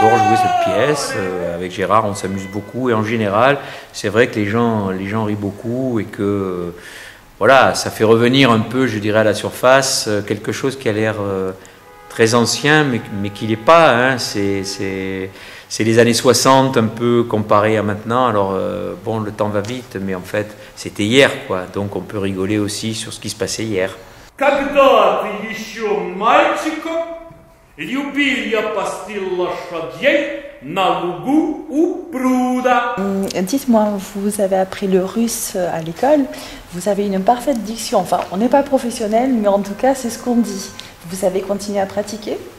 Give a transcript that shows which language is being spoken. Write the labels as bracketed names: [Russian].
[French] J'adore jouer cette pièce. Avec Gérard, on s'amuse beaucoup. Et en général, c'est vrai que les gens rient beaucoup et que voilà, ça fait revenir un peu, je dirais, à la surface quelque chose qui a l'air très ancien, mais qui n'est pas. Hein. C'est les années 60, un peu comparé à maintenant. Alors, bon, le temps va vite, mais en fait, c'était hier, quoi. Donc, on peut rigoler aussi sur ce qui se passait hier. [Russian] Когда ты еще мальчиком, любил я пасти лошадей на лугу у пруда. [French] Dites-moi, vous avez appris le russe à l'école. Vous avez une parfaite diction. Enfin, on n'est pas professionnel, mais en tout cas, c'est ce qu'on dit. Vous avez continué à pratiquer?